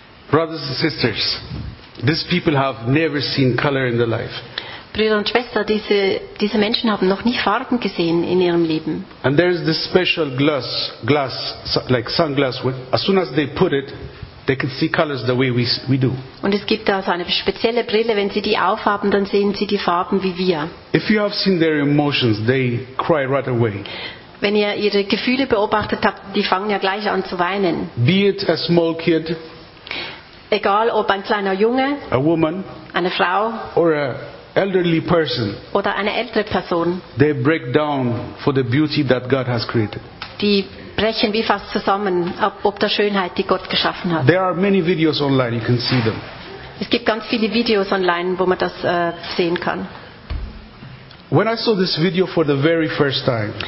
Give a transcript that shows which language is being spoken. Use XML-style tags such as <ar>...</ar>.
<en>Brothers and sisters, these people have never seen color in their life.</en> <de>Brüder und Schwestern, diese Menschen haben noch nie Farben gesehen in ihrem Leben.</de> <en>And there is this special glass like sunglass, as soon as they put it, they can see colors the way we do.</en> <de>Und es gibt da so eine spezielle Brille, wenn sie die aufhaben, dann sehen sie die Farben wie wir.</de> <en>If you have seen their emotions, they cry right away.</en> <de>Wenn ihr ihre Gefühle beobachtet habt, die fangen ja gleich an zu weinen.</de> <en>Be it a small kid,</en> <de>egal ob ein kleiner Junge,</de> <en>a woman,</en> <de>eine Frau</de> <en>or a elderly person,</en> <de>oder eine ältere Person,</de> <en>they break down for the beauty that God has created.</en> <de>Die brechen wie fast zusammen ob der Schönheit, die Gott geschaffen hat.</de> <en>There are many videos online, you can see them.</en> <de>Es gibt ganz viele Videos online, wo man das sehen kann.</de> <en>When I saw this video for the very first time,</en>